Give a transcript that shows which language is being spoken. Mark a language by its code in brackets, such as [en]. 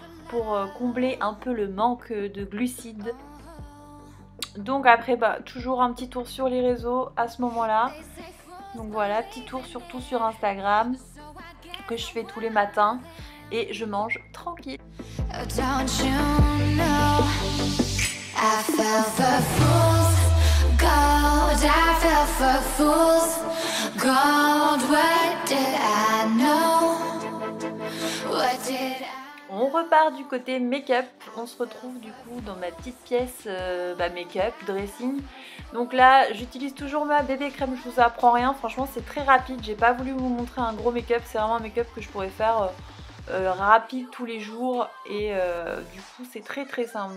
[fr] pour combler un peu le manque de glucides. Donc après, bah, toujours un petit tour sur les réseaux à ce moment-là. Donc voilà, petit tour surtout sur Instagram que je fais tous les matins et je mange tranquille. [en] Don't you know, I fell for fools, gold, I fell for fools, gold, what did I know, what did I know. [fr] On repart du côté make-up, on se retrouve du coup dans ma petite pièce make-up, dressing. Donc là j'utilise toujours ma bébé crème, je vous apprends rien, franchement c'est très rapide, j'ai pas voulu vous montrer un gros make-up, c'est vraiment un make-up que je pourrais faire rapide tous les jours et du coup c'est très très simple.